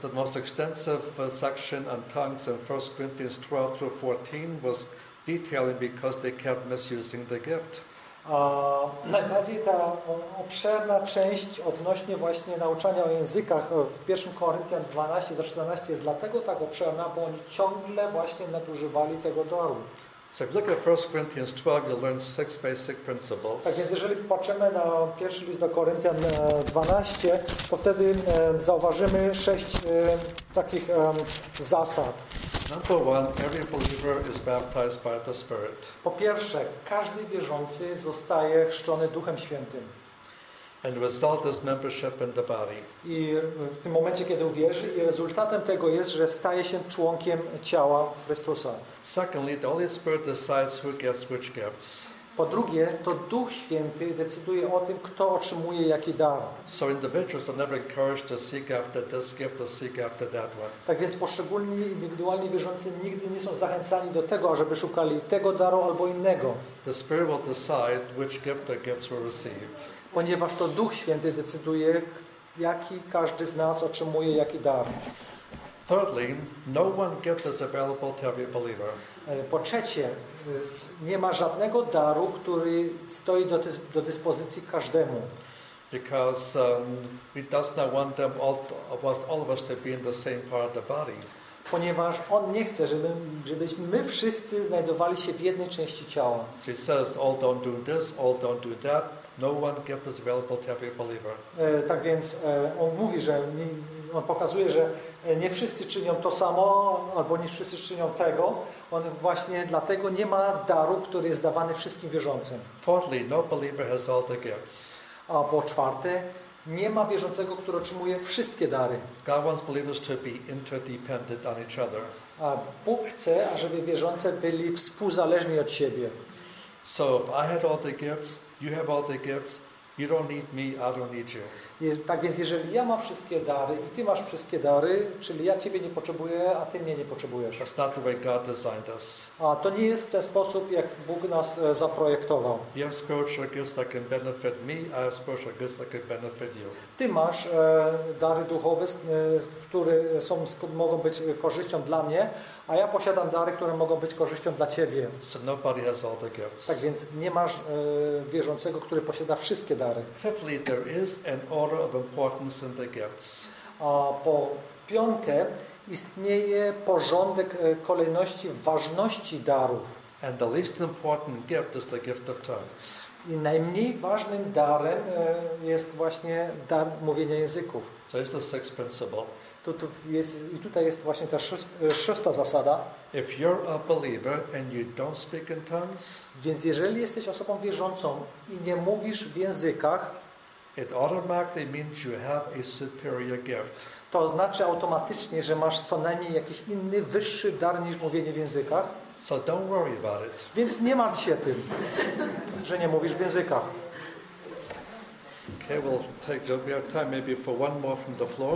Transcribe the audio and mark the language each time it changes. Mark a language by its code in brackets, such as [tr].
[en] The most extensive section on tongues in 1 Corinthians 12 through 14 was detailing because they kept misusing the gift. [pl] Najbardziej ta obszerna część odnośnie właśnie nauczania o językach w 1 Koryntian 12 do 14 jest dlatego tak obszerna, bo oni ciągle właśnie nadużywali tego daru. [en] So if you look at 1 Corinthians 12, you'll learn six basic principles. [pl] Tak więc jeżeli patrzymy na pierwszy list do Koryntian 12, to wtedy zauważymy sześć takich zasad. [en] Number one, every believer is baptized by the Spirit. [pl] Po pierwsze, każdy wierzący zostaje chrzczony Duchem Świętym. [en] And the result is membership in the body. [pl] I w tym momencie, kiedy uwierzy, i rezultatem tego jest, że staje się członkiem ciała Chrystusa. [en] Secondly, the Holy Spirit decides who gets which gifts. [pl] Po drugie, to Duch Święty decyduje o tym, kto otrzymuje jaki dar. [en] So individuals are never encouraged to seek after this gift or seek after that one. [pl] Tak więc poszczególni indywidualni wierzący nigdy nie są zachęcani do tego, żeby szukali tego daru albo innego. [en] The Spirit will decide which gift or gifts will receive. [pl] Ponieważ to Duch Święty decyduje, jaki każdy z nas otrzymuje jaki dar. [en] Thirdly, no one gift is available to every believer. [pl] Po trzecie, nie ma żadnego daru, który stoi do dyspozycji każdemu. [en] Because he does not want them all of us to be in the same part of the body. [pl] Ponieważ on nie chce, żebyśmy my wszyscy znajdowali się w jednej części ciała. [en] So he says, all don't do this, all don't do that. No one gift is available to every believer. [pl] Tak więc on mówi, że on pokazuje, że nie wszyscy czynią to samo, albo nie wszyscy czynią tego. On właśnie dlatego nie ma daru, który jest dawany wszystkim wierzącym. [en] Fourthly, no believer has all the gifts. [pl] A po czwarte, nie ma wierzącego, który otrzymuje wszystkie dary. [en] God wants believers to be interdependent on each other. [pl] A Bóg chce, ażeby wierzący byli współzależni od siebie. [en] So if I had all the gifts, you have all the gifts, you don't need me, I don't need you. [pl] Tak więc jeżeli ja mam wszystkie dary i ty masz wszystkie dary, czyli ja ciebie nie potrzebuję, a ty mnie nie potrzebujesz. [en] That's not the way God designed us. [pl] A to nie jest ten sposób, jak Bóg nas zaprojektował. [en] You have spiritual gifts that can benefit me, I have spiritual gifts that can benefit you. [pl] Ty masz dary duchowe, które mogą być korzyścią dla mnie, a ja posiadam dary, które mogą być korzyścią dla ciebie. [en] So nobody has all the gifts. [pl] Tak więc nie masz wierzącego, który posiada wszystkie dary. [en] Fifthly, there is an order of importance in the gifts. [pl] A po piąte, istnieje porządek kolejności ważności darów. [en] And the least important gift is the gift of tongues. [pl] I najmniej ważnym darem jest właśnie dar mówienia języków. [en] So it's the sixth principle. [pl] I tutaj jest właśnie ta szósta zasada. [en] If you're a believer and you don't speak in tongues, [pl] więc jeżeli jesteś osobą wierzącą i nie mówisz w językach, [en] it automatically means you have a superior gift. [pl] To znaczy automatycznie, że masz co najmniej jakiś inny, wyższy dar niż mówienie w językach. [en] So don't worry about it. [pl] Więc nie martw się tym, że nie mówisz w językach. [en] Okay, we'll take. We have time maybe for one more from the floor.